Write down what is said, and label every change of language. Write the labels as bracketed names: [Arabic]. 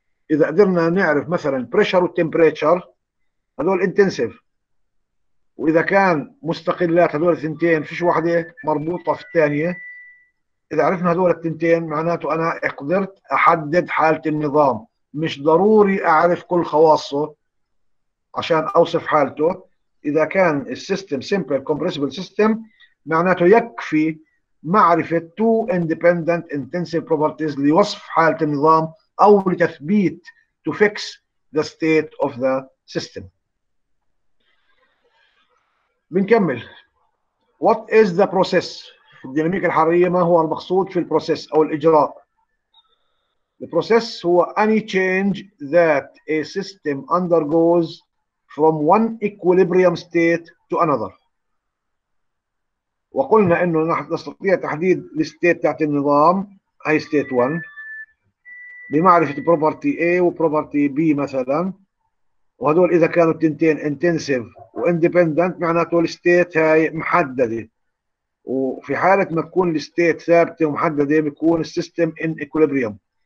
[Arabic] إذا قدرنا نعرف مثلا pressure و temperature هذول intensive، وإذا كان مستقلات هذول الثنتين فيش واحدة مربوطة في الثانية، إذا عرفنا هذول الثنتين معناته أنا قدرت أحدد حالة النظام مش ضروري أعرف كل خواصه عشان أوصف حالته. إذا كان السيستم simple compressible system معناته يكفي معرفة [English] two independent intensive properties [Arabic] لوصف حالة النظام أو لتثبيت [English] to fix the state of the system. [Arabic] بنكمل. [English] What is the process [Arabic] في الديناميكا الحرارية؟ ما هو المقصود في البروسيس أو الإجراء؟ [English] The process هو any change that a system undergoes from one equilibrium state to another. [Arabic] وقلنا انه نستطيع تحديد الستيت تاعت النظام هي ستيت 1 بمعرفه بروبرتي A وبروبرتي B مثلا، وهذول اذا كانوا التنتين انتنسيف واندبندنت معناته الستيت هاي محدده، وفي حاله ما تكون الستيت ثابته ومحدده بيكون السيستم ان اكوليبريم.